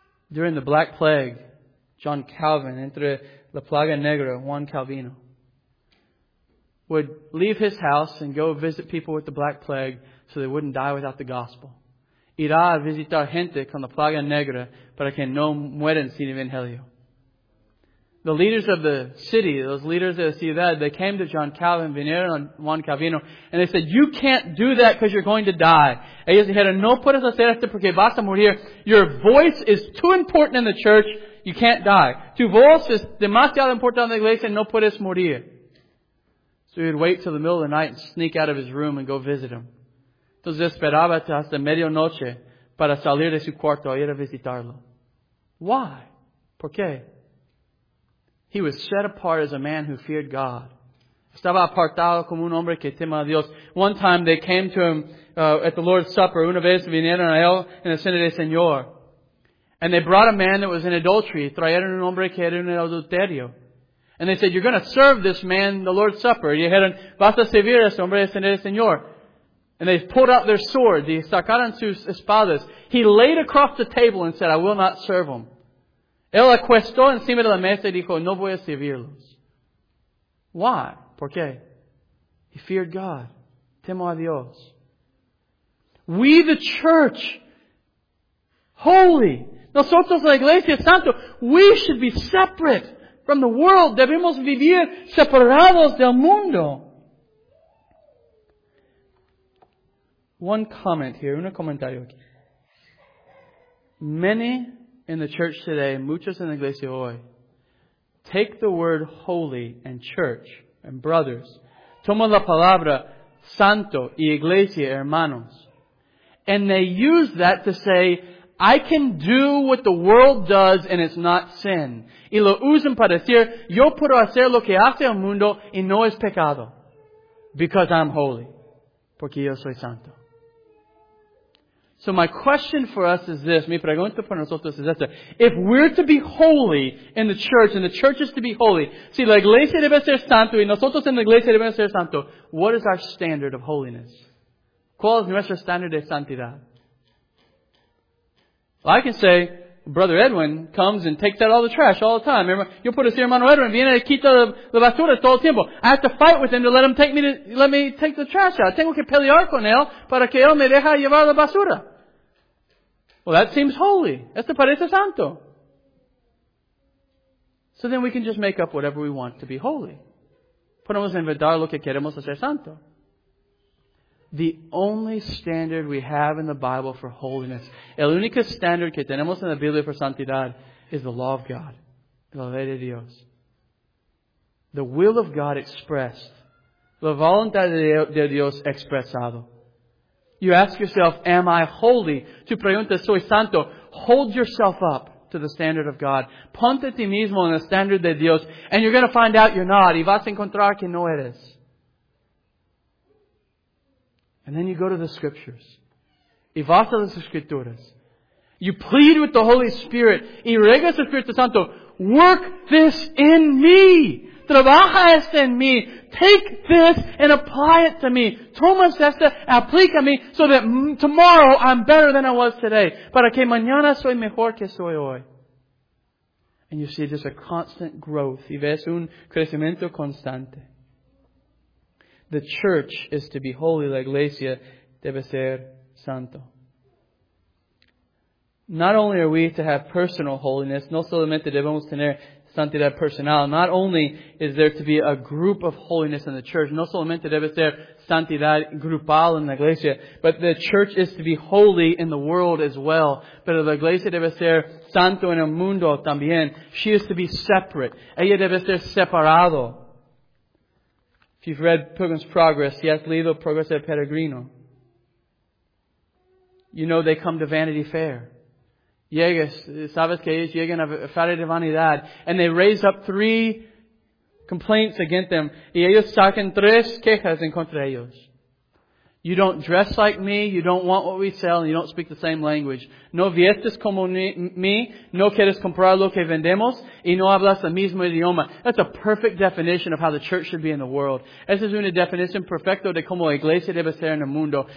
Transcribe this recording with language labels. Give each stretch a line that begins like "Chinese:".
English: During the Black Plague, John Calvin,
Spanish: entre la plaga negra, Juan Calvino,
English: would leave his house and go visit people with the Black Plague so they wouldn't die without the gospel.
Spanish: Irá a visitar gente con la plaga negra para que no mueran sin evangelio.
English: The leaders of the city, those leaders of the ciudad, they came to John Calvin,
Spanish: vinieron a Juan Calvino,
English: and they said, you can't do that because you're going to die.
Spanish: Ellos dijeron, no puedes hacer esto porque vas a morir.
English: Your voice is too important in the church, you can't die.
Spanish: Tu voz es demasiado importante en la iglesia, no puedes morir.
English: So he would wait till the middle of the night and sneak out of his room and go visit him.
Spanish: Entonces esperaba hasta medianoche para salir de su cuarto y ir a visitarlo.
English: Why?
Spanish: ¿Por qué?
English: He was set apart as a man who feared God.
Spanish: Estaba apartado como un hombre que teme a Dios.
English: One time they came to him at the Lord's Supper.
Spanish: Una vez vinieron a él en la cena del Señor.
English: And they brought a man that was in adultery.
Spanish: Trajeron un hombre que era en adulterio.
English: And they said, you're going to serve this man the Lord's Supper.
Spanish: Y dijeron, vas a servir a este hombre en la cena del Señor.
English: And they pulled out their sword.
Spanish: Y sacaron sus espadas.
English: He laid across the table and said, I will not serve him.
Spanish: Él acuestó encima de la mesa y dijo, no voy a servirlos.
English: Why?
Spanish: ¿Por qué?
English: He feared God.
Spanish: Temo a Dios.
English: We the church, holy,
Spanish: nosotros la iglesia santo,
English: we should be separate from the world.
Spanish: Debemos vivir separados del mundo.
English: One comment here,
Spanish: un comentario aquí.
English: Many in the church today,
Spanish: muchos en la iglesia hoy,
English: take the word holy and church and brothers.
Spanish: Toma la palabra santo y iglesia, hermanos.
English: And they use that to say, I can do what the world does and it's not sin.
Spanish: Y lo usan para decir, yo puedo hacer lo que hace el mundo y no es pecado.
English: Because I'm holy.
Spanish: Porque yo soy santo.
English: So my question for us is this.
Spanish: Mi pregunta para nosotros es esta.
English: If we're to be holy in the church, and the church is to be holy,
Spanish: si la iglesia debe ser santo
English: y nosotros en la iglesia debemos ser santo, what is our standard of holiness?
Spanish: ¿Cuál es nuestro standard de santidad?
English: Well, I can say, Brother Edwin comes and takes out all the trash all the time.
Spanish: Yo puedo decir, hermano Edwin, viene y quita la basura todo el tiempo.
English: I have to fight with him to let him let me take the trash out.
Spanish: Tengo que pelear con él para que él me deje llevar la basura.
English: Well, that seems holy.
Spanish: Esto parece santo.
English: So then we can just make up whatever we want to be holy.
Spanish: Podemos inventar lo que queremos hacer santo.
English: The only standard we have in the Bible for holiness,
Spanish: el único standard que tenemos en la Biblia por santidad,
English: is the law of God,
Spanish: la ley de Dios.
English: The will of God expressed,
Spanish: la voluntad de Dios expresado.
English: You ask yourself, am I holy?
Spanish: Tu pregunta, soy santo.
English: Hold yourself up. to the standard of God.
Spanish: Ponte a ti mismo en el standard de Dios.
English: And you're going to find out you're not.
Spanish: Y vas a encontrar que no eres.
English: And then you go to the Scriptures.
Spanish: Y vas a las Escrituras.
English: You plead with the Holy Spirit.
Spanish: Y regresa al Espíritu Santo.
English: Work this in me.
Spanish: Trabaja esto en mí.
English: Take this and apply it to me.
Spanish: Toma esto, aplícame,
English: so that tomorrow I'm better than I was today.
Spanish: Para que mañana soy mejor que soy hoy.
English: And you see just a constant growth.
Spanish: Y ves un crecimiento constante.
English: The church is to be holy.
Spanish: La iglesia debe ser santo.
English: Not only are we to have personal holiness,
Spanish: no solamente debemos tener santidad personal.
English: Not only is there to be a group of holiness in the church,
Spanish: no solamente debe ser santidad grupal en la iglesia,
English: but the church is to be holy in the world as well.
Spanish: Pero la iglesia debe ser santo en el mundo también.
English: She is to be separate.
Spanish: Ella debe ser separado.
English: If you've read Pilgrim's Progress,
Spanish: si has leído Progreso del Peregrino,
English: you know they come to Vanity Fair.
Spanish: Llegas, sabes que ellos llegan a Feria de Vanidad.
English: And they raise up 3 complaints against them.
Spanish: Y ellos sacan 3 quejas en contra ellos.
English: You don't dress like me, you don't want what we sell, and you don't speak the same language.
Spanish: No vistes como mí, no quieres comprar lo que vendemos, y no hablas el mismo idioma.
English: That's a perfect definition of how the church should be in the world.
Spanish: Esa es una definición perfecta de cómo la iglesia debe ser en el mundo.